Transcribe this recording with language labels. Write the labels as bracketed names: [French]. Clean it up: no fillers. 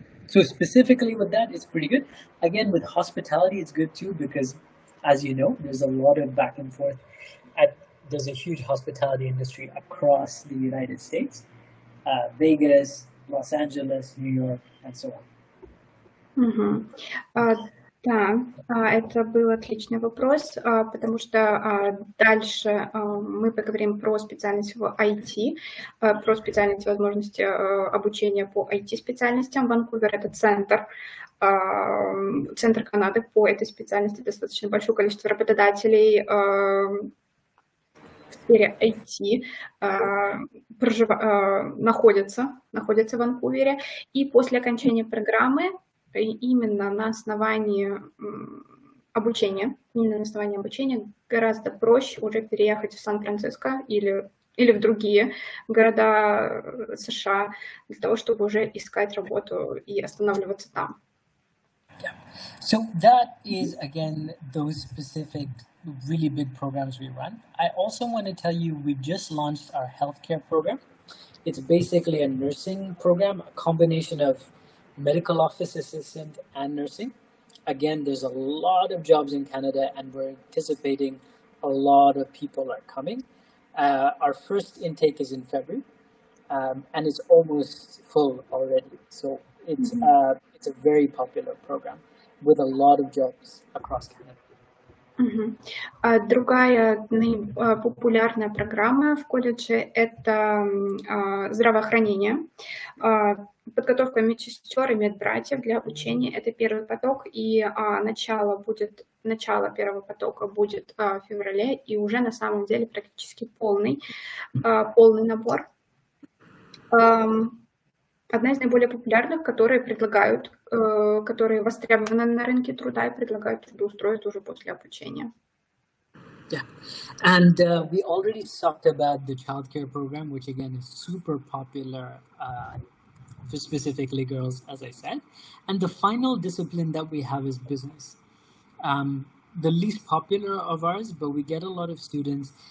[English] So specifically with that, it's pretty good. Again, with hospitality, it's good too, because as you know, there's a lot of back and forth. There's a huge hospitality industry across the United States, Vegas, Los Angeles, New York, and so on. [Russian] Да, это был отличный вопрос, потому что дальше мы поговорим про специальность в IT, про специальность возможности обучения по IT-специальностям. Ванкувер — это центр Канады по этой специальности, достаточно большое количество работодателей в сфере IT находятся в Ванкувере. И после окончания программы именно на основании обучения, гораздо проще уже переехать в Сан-Франциско или в другие города США для того, чтобы уже искать работу и останавливаться там. [English] Yeah. So that is, again, those specific really big programs we run. I also want to tell you, we just launched our healthcare program. It's basically a nursing program, a combination of medical office assistant and nursing. Again, there's a lot of jobs in Canada and we're anticipating a lot of people are coming. Our first intake is in February and it's almost full already. So it's it's a very popular program with a lot of jobs across Canada. [Russian] Другая популярная программа в колледже — это здравоохранение. Подготовка медсестер и медбратьев для обучения — это первый поток, и начало первого потока будет в феврале, и уже на самом деле практически полный набор. Одна из наиболее популярных, которые востребованы на рынке труда и предлагают трудоустроить уже после обучения. [English] Yeah. And we already talked about the childcare program, which again is super popular. For specifically girls, as I said. And the final discipline that we have is business. The least popular of ours, but we get a lot of students.